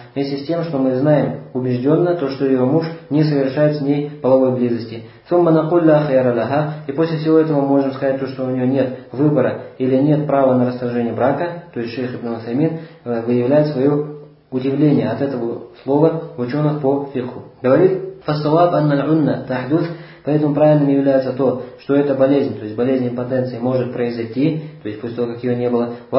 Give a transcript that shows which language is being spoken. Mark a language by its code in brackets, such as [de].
[ru] Вместе с тем, что мы знаем убежденно то, что ее муж не совершает с ней половой близости. [ar] ثُمَّ نَقُلْ لَا خَيَرَ لَهَا. [ru] И после всего этого мы можем сказать то, что у нее нет выбора или нет права на расторжение брака, то есть шейх ибн Усаймин выявляет свое удивление от этого слова ученых по фикху. Говорит, [ar] فَصَوَابْ أَنَّ الْعُنَّ تَحْدُثْ. [ru] Поэтому правильным является то, что эта болезнь, то есть болезнь импотенции, может произойти, то есть после того, как ее не было.